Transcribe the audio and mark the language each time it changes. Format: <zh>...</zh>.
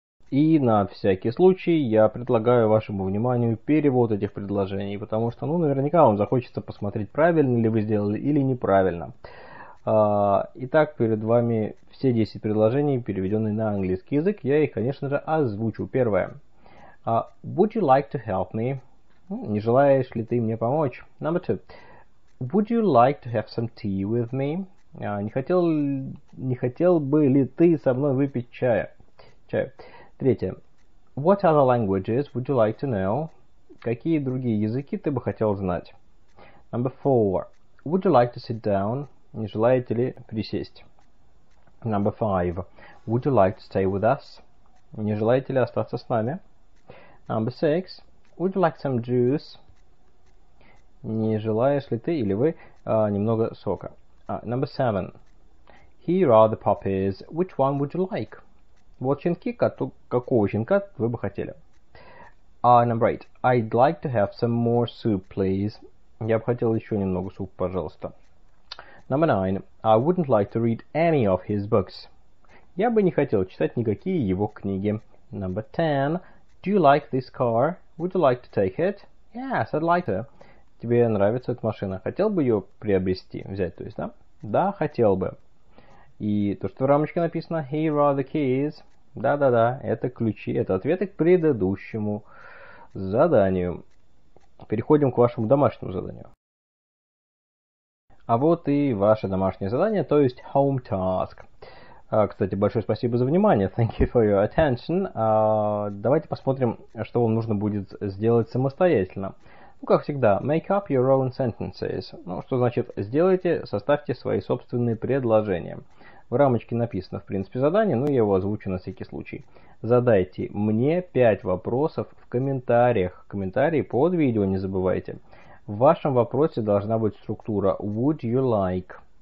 <ru>И на всякий случай я предлагаю вашему вниманию перевод этих предложений, потому что, ну, наверняка вам захочется посмотреть, правильно ли вы сделали или неправильно. Итак, перед вами все 10 предложений, переведенные на английский язык. Я их, конечно же, озвучу. Первое.</ru> <en>Would you like to help me?</en> <ru>Не желаешь ли ты мне помочь?</ru> <en>Number two. Would you like to have some tea with me?</en> <ru>Не хотел бы ли ты со мной выпить чая? Чаю. Третье.</ru> <en>What other languages would you like to know?</en> <ru>Какие другие языки ты бы хотел знать?</ru> <en>Number four. Would you like to sit down?</en> <ru>Не желаете ли присесть?</ru> <en>Number five. Would you like to stay with us?</en> <ru>Не желаете ли остаться с нами?</ru> <en>Number six. Would you like some juice?</en> <ru>Не желаешь ли ты или вы немного сока?</ru> <en>Number seven. Here are the puppies. Which one would you like?</en> <ru>Вот щенки, какого щенка вы бы хотели?</ru> <en>Number eight. I'd like to have some more soup, please.</en> <ru>Я бы хотел еще немного супа, пожалуйста.</ru> <en>Number nine. I wouldn't like to read any of his books.</en> <ru>Я бы не хотел читать никакие его книги.</ru> <en>Number ten. Do you like this car? Would you like to take it? Yes, I'd like to.</en> <ru>Тебе нравится эта машина? Хотел бы ее приобрести, взять, то есть, да? Да, хотел бы. И то, что в рамочке написано</ru> <en>«Here are the keys».</en> <ru>Да-да-да, это ключи, это ответы к предыдущему заданию. Переходим к вашему домашнему заданию. А вот и ваше домашнее задание, то есть</ru> <en>«Home Task».</en> <ru>Кстати, большое спасибо за внимание.</ru> <en>Thank you for your attention.</en> <ru>Давайте посмотрим, что вам нужно будет сделать самостоятельно. Ну, как всегда,</ru> <en>make up your own sentences.</en> <ru>Ну, что значит сделайте, составьте свои собственные предложения. В рамочке написано, в принципе, задание, но я его озвучу на всякий случай. Задайте мне 5 вопросов в комментариях. Комментарии под видео не забывайте. В вашем вопросе должна быть структура</ru> <en>would you like.</en>